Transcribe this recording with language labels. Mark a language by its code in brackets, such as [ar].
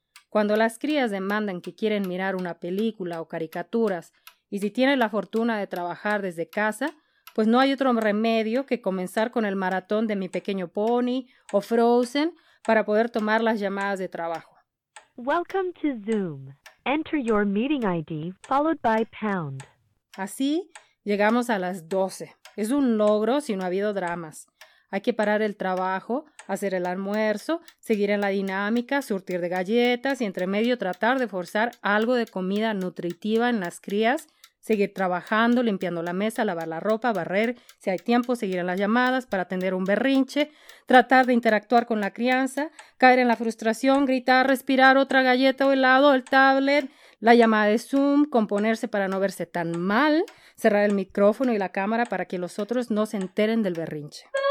[es] Cuando las crías demandan que quieren mirar una película o caricaturas, y si tienen la fortuna de trabajar desde casa, pues no hay otro remedio que comenzar con el maratón de Mi Pequeño Pony o Frozen para poder tomar las llamadas de trabajo. [en] Welcome to Zoom. Enter your meeting ID followed by pound. [es] Así llegamos a las 12. Es un logro si no ha habido dramas. Hay que parar el trabajo, hacer el almuerzo, seguir en la dinámica, surtir de galletas y entre medio tratar de forzar algo de comida nutritiva en las crías, seguir trabajando, limpiando la mesa, lavar la ropa, barrer, si hay tiempo, seguir en las llamadas para atender un berrinche, tratar de interactuar con la crianza, caer en la frustración, gritar, respirar otra galleta o helado, el tablet, la llamada de Zoom, componerse para no verse tan mal, cerrar el micrófono y la cámara para que los otros no se enteren del berrinche.